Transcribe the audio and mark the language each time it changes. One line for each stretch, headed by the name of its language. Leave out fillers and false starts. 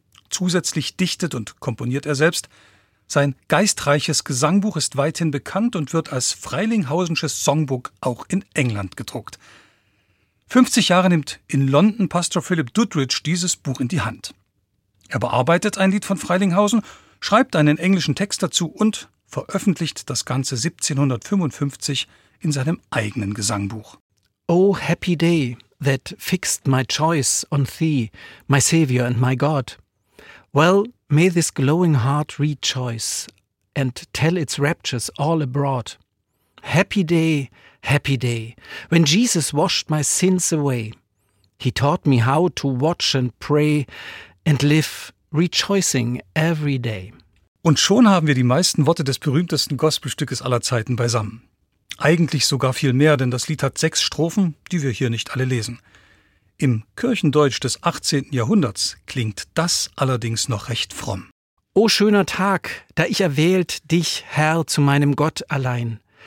German: Zusätzlich dichtet und komponiert er selbst. Sein geistreiches Gesangbuch ist weithin bekannt und wird als Freilinghausensches Songbook auch in England gedruckt. 50 Jahre nimmt in London Pastor Philip Doodridge dieses Buch in die Hand. Er bearbeitet ein Lied von Freilinghausen, schreibt einen englischen Text dazu und veröffentlicht das Ganze 1755 in seinem eigenen Gesangbuch.
English: Oh happy day that fixed my choice on thee, my Savior and my God. Well, may this glowing heart rejoice and tell its raptures all abroad. Happy day, happy day, when Jesus washed my sins away. He taught me how to watch and pray and live rejoicing every day.
German: Und schon haben wir die meisten Worte des berühmtesten Gospelstückes aller Zeiten beisammen. Eigentlich sogar viel mehr, denn das Lied hat 6 Strophen, die wir hier nicht alle lesen. Im Kirchendeutsch des 18. Jahrhunderts klingt das allerdings noch recht fromm. O schöner Tag, da ich erwählt dich, Herr, zu meinem Gott allein.